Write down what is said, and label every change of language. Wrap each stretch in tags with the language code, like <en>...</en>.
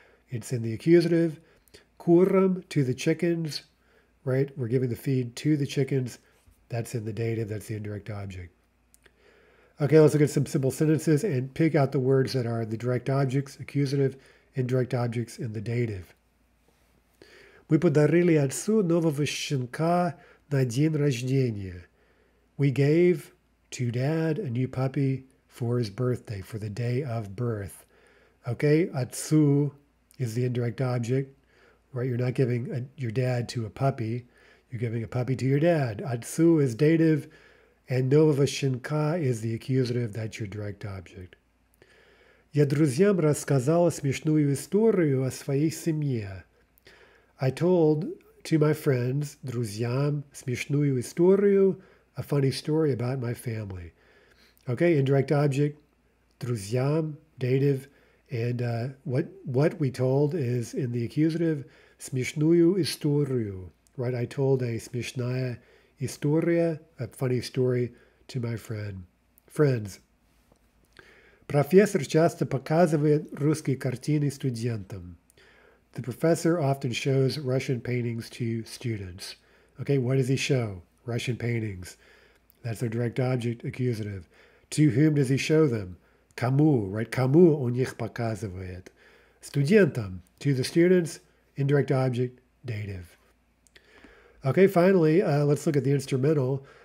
<en>It's in the accusative. Kurm to the chickens, right? We're giving the feed to the chickens. That's in the dative. That's the indirect object. Okay, let's look at some simple sentences and pick out the words that are the direct objects, accusative, indirect objects, and the dative.</en> <ru>Мы подарили отцу нового щенка на день рождения.</ru> <en>We gave to dad a new puppy for his birthday, for the day of birth. Okay, отцу is the indirect object, right? You're not giving your dad to a puppy. You're giving a puppy to your dad. Atsu is dative, and</en> <ru>nового щенка</ru> <en>is the accusative. That's your direct object.</en> <ru>Я друзьям рассказала смешную историю о своей семье.</ru> <en>I told to my friends, друзьям,</en> <ru>смешную историю,</ru> <en>a funny story about my family. Okay, indirect object, друзьям, dative, and what we told is in the accusative,</en> <ru>смешную историю.</ru> <en>Right, I told a</en> <ru>smishnaya historia,</ru> <en>a funny story, to my friend. Friends.</en> <ru>Профессор часто показывает русские картины студентам.</ru> <en>The professor often shows Russian paintings to students. Okay, what does he show? Russian paintings. That's their direct object, accusative. To whom does he show them? Кому, right?</en> <ru>Кому он их показывает? Студентам.</ru> <en>To the students, indirect object, dative. Okay, finally, let's look at the instrumental.</en>